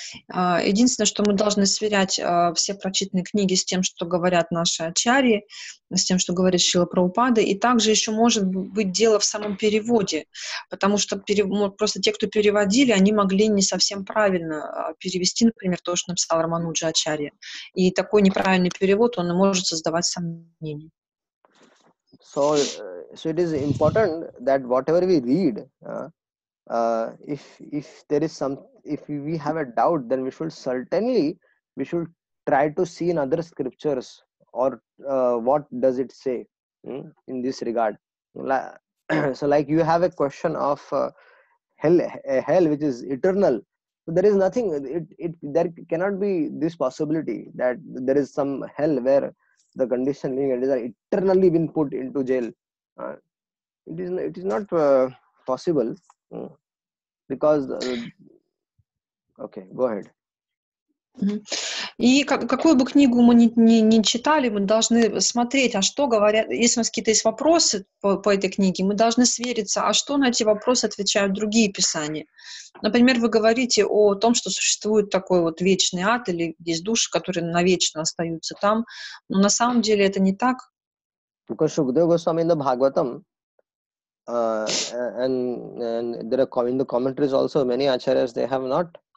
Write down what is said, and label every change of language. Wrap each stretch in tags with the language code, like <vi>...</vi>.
<ru>Единственное, что мы должны сверять все прочитанные книги с тем, что говорят наши ачарьи, с тем, что говорит Шрила Прабхупада, и также еще может быть дело в самом переводе, потому что просто те, кто переводили, они могли не совсем правильно перевести, например, то, что написал Рамануджа Ачарья. И такой неправильный перевод, он может создавать сомнения.</ru> <en>So it is important that whatever we read, if we have a doubt, then we should try to see in other scriptures or what does it say in this regard. So you have a question of hell which is eternal. So there is nothing. It there cannot be this possibility that there is some hell where the condition being it is eternally been put into jail. It is not possible because okay, go ahead.</en> <ru>И какую бы книгу мы ни читали, мы должны смотреть, а что говорят, если у нас какие-то есть вопросы по этой книге, мы должны свериться, а что на эти вопросы отвечают другие писания. Например, вы говорите о том, что существует такой вот вечный ад, или есть души, которые навечно остаются там, но на самом деле это не так. Только</ru> <en>Шукдева Госвами in the Bhagavatam, and there are in the commentaries also, many acharyas, they have not</en>